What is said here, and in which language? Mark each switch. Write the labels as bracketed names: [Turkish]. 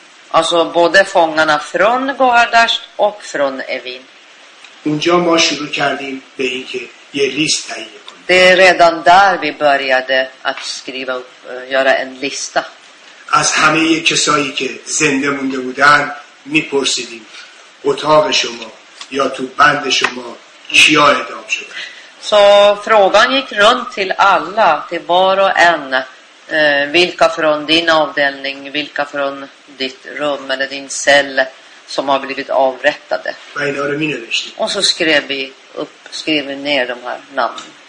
[Swedish] Alltså både fångarna från Gohardasht och från Evin. [Persian] اونجا ما شروع کردیم به اینکه یه لیست تهیه کنیم. [Swedish] Det är redan där vi började att skriva upp, göra en lista. [Persian] از همه کسایی که زنده مونده بودن میپرسیدیم اتاق شما یا تو بند شما کیا اعدام شده. [Swedish] Så frågan gick runt till alla, till var och en, vilka från din avdelning, vilka från ditt rum eller din cell som har blivit avrättade. Och så skrev vi upp, skrev vi ner de här namnen.